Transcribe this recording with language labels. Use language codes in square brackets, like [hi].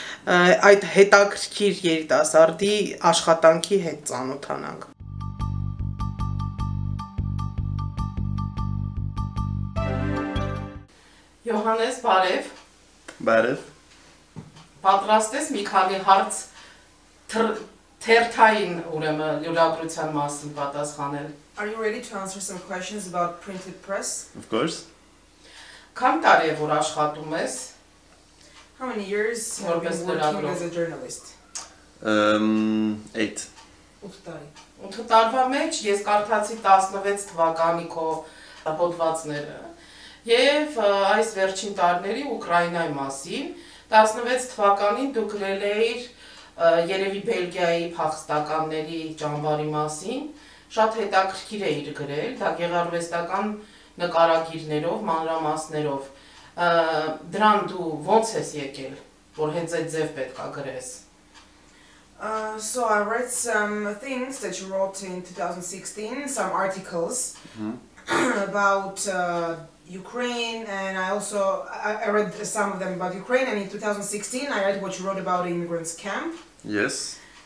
[hy] այդ հետաքրքիր երիտասարդի աշխատանքի հետ ծանոթանանք։ Յոհաննես, բարև։ Բարև։ Պատրաստ ես մի քանի հարց թերթային, ուրեմն, լրագրության մասին պատասխանել։ [en] Are you ready to answer some questions about printed press? Of course. [hy] Քան տարի է որ աշխատում ես? [en] How many years have you been working as a journalist? 8. [hy] 8 տարի։ 8 տարվա մեջ ես կարդացի 16 թվականի քո հոդվածները։ Եվ այս վերջին տարիների Ուկրաինայի մասին 16 թվականին դու գրել էիր երևի Բելգիայի փախստականների ճամբարի մասին, շատ հետաքրքիր է իր գրել, դա գեղարվեստական նկարագիրներով, մանրամասներով։ Դրան դու ո՞նց ես եկել, որ հենց այդ ձև պետք է գրես։ [en] So I read some things that you wrote in 2016, some articles about Ukraine, and I read some of them about Ukraine, and in 2016 I read what you wrote about immigrants camp. Yes.